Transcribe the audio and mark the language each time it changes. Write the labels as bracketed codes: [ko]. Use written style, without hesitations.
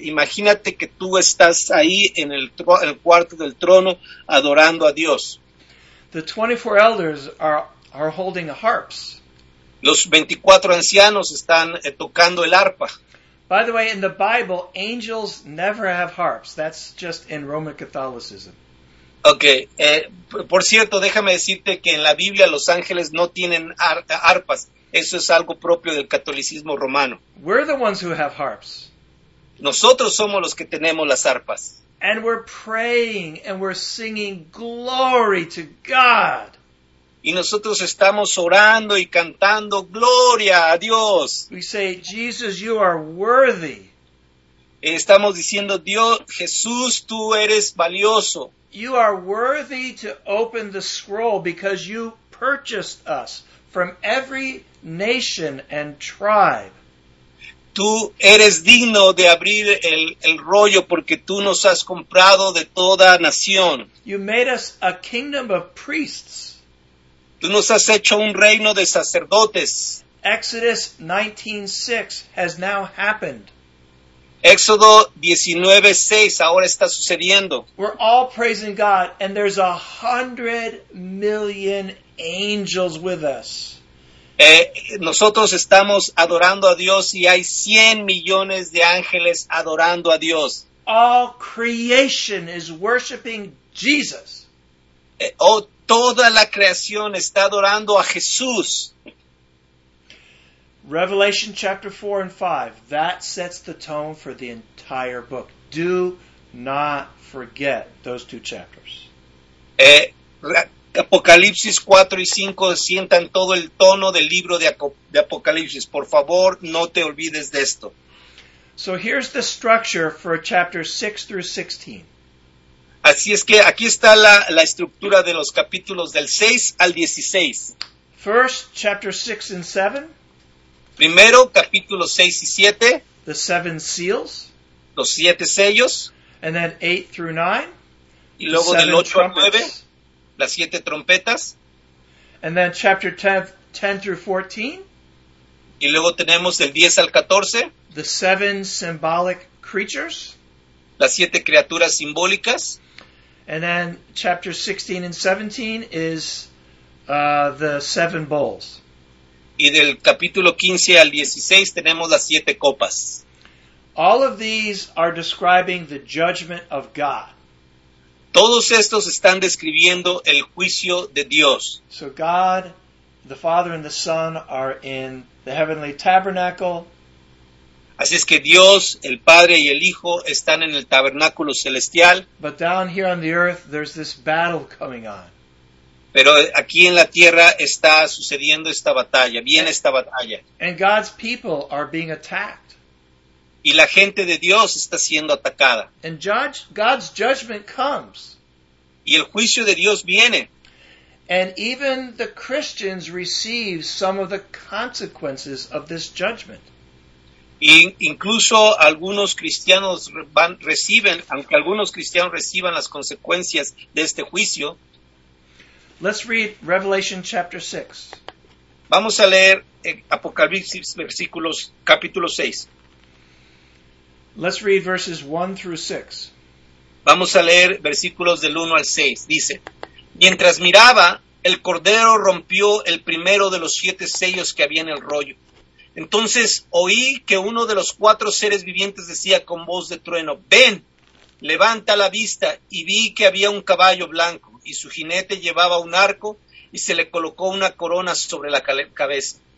[es] Imagínate que tú estás ahí en el cuarto del trono adorando a Dios. [en] The 24 elders are holding harps. [es] Los 24 ancianos están tocando el arpa. [en] By the way, in the Bible, angels never have harps. That's just in Roman Catholicism. Okay. [es] Por cierto, déjame decirte que en la Biblia los ángeles no tienen arpas. Eso es algo propio del catolicismo romano. [en] We're the ones who have harps. [es] Nosotros somos los que tenemos las arpas. [en] And we're praying and we're singing glory to God. [es] Y nosotros estamos orando y cantando gloria a Dios. [en] We say, Jesus, you are worthy. [es] Estamos diciendo, Dios, Jesús, tú eres valioso. [en] You are worthy to open the scroll because you purchased us from every nation and tribe. [es] Tú eres digno de abrir el rollo porque tú nos has comprado de toda nación. [en] You made us a kingdom of priests. [es] Tú nos has hecho un reino de sacerdotes. [en] Exodus 19:6 has now happened. [es] Éxodo 19:6 ahora está sucediendo. [en] We're all praising God and there's 100 million angels with us. [es] Nosotros estamos adorando a Dios y hay 100 millones de ángeles adorando a Dios. [en] All creation is worshiping Jesus. [es] Toda la creación está adorando a Jesús. [en] Revelation chapter 4 and 5, that sets the tone for the entire book. Do not forget those two chapters. [es] Apocalipsis 4 y 5 sientan todo el tono del libro de Apocalipsis. Por favor, no te olvides de esto. [en] So here's the structure for chapter 6 through 16. [es] Así es que aquí está la estructura de los capítulos del 6 al 16. [en] First, chapter 6 and 7. [es] Primero, capítulos 6 y 7. [en] The seven seals. [es] Los siete sellos. [en] And then 8 through 9. [es] Y luego del 8 al 9. Las siete trompetas. [en] And then chapter 10 through 14. [es] Y luego tenemos del 10 al 14. [en] The seven symbolic creatures. [es] las siete criaturas simbólicas. [en] And then chapter 16 and 17 is the seven bowls. [es] Y del capítulo 15 al 16 tenemos las siete copas. [en] All of these are describing the judgment of God. [es] Todos estos están describiendo el juicio de Dios. [en] So God, the Father and the Son are in the heavenly tabernacle. [es] Así es que Dios, el Padre y el Hijo están en el tabernáculo celestial. [en] But down here on the earth, there's this battle coming on. [es] Pero aquí en la tierra está sucediendo esta batalla, viene esta batalla. [en] And God's people are being attacked. [es] Y la gente de Dios está siendo atacada. [en] And judge, God's judgment comes. [es] Y el juicio de Dios viene. [en] And even the Christians receive some of the consequences of this judgment. [es] Y incluso algunos cristianos reciben, aunque algunos cristianos reciban las consecuencias de este juicio. [en] Let's read Revelation chapter 6. [es] Vamos a leer Apocalipsis versículos capítulo 6. [en] Let's read verses 1 through 6. [es] Vamos a leer versículos del 1 al 6. Dice, mientras miraba, el Cordero rompió el primero de los siete sellos que había en el rollo. Entonces oí que uno de los cuatro seres vivientes decía con voz de trueno, ven, levanta la vista, y vi que había un caballo blanco, y su jinete llevaba un arco, y se le colocó una corona sobre la cabeza.